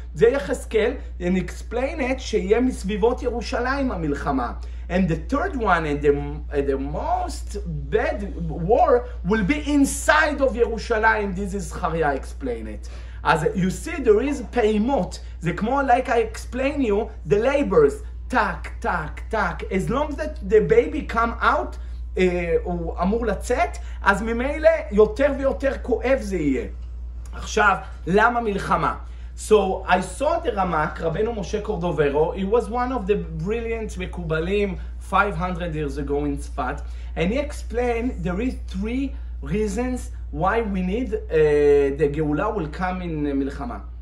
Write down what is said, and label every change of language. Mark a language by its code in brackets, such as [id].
[en] Ze Yechezkel, and explain it, [he] שיהיה מסביבות ירושלים המלחמה. [en] And the third one, and the most bad war, will be inside of Yerushalayim. This is Zecharia explain it. As you see, there is peimot. It's more like I explain you, the labors. Tak, tak, tak. As long as the baby come out, [he] הוא אמור לצאת, אז ממילא יותר ויותר כואב זה יהיה. עכשיו, למה מלחמה? [en] So I saw the Ramak, Rabbeinu Moshe Cordovero, he was one of the brilliant Mekubalim 500 years ago in Tzfat, and he explained there is three reasons why we need the Geula will come in Milchama.